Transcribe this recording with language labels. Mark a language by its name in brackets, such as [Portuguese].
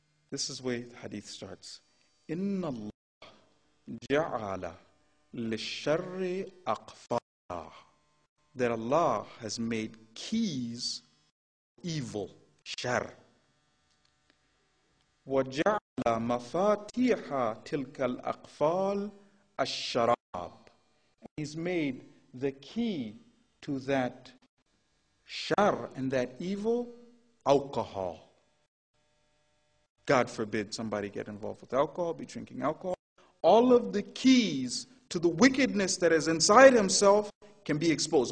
[English] This is the way the hadith starts. [Arabic] Inna Allah ja'ala lisharri aqfara. [English] That Allah has made keys for evil, shar. [Arabic] وجعل مفاتيح تلك الأقفال الشراب. [English] And he's made the key to that shar and that evil alcohol. God forbid somebody get involved with alcohol, be drinking alcohol. All of the keys to the wickedness that is inside himself can be exposed.